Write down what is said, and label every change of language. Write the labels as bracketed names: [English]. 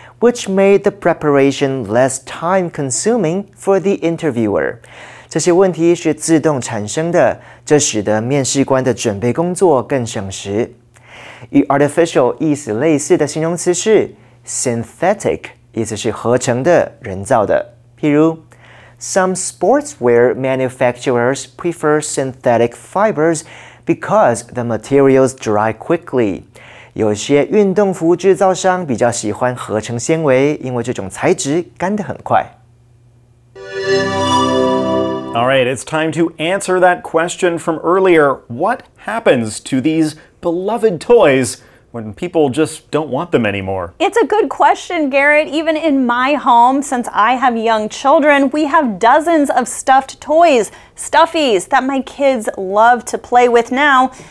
[English] Which made the preparation less time-consuming for the interviewer. [Chinese] 这些问题是自动产生的，这使得面试官的准备工作更省时。与 artificial 意思类似的形容词是 synthetic， 意思是合成的、人造的。譬如 [English] ，Some sportswear manufacturers prefer synthetic fibers because the materials dry quickly. [Chinese] 有些运动服制造商比较喜欢合成纤维，因为这种材质干得很快。 [English] All right, it's time to answer that question from earlier. What happens to these beloved toys when people just don't want them anymore? It's a good question, Garrett. Even in my home, since I have young children, we have dozens of stuffed toys, stuffies, that my kids love to play with now.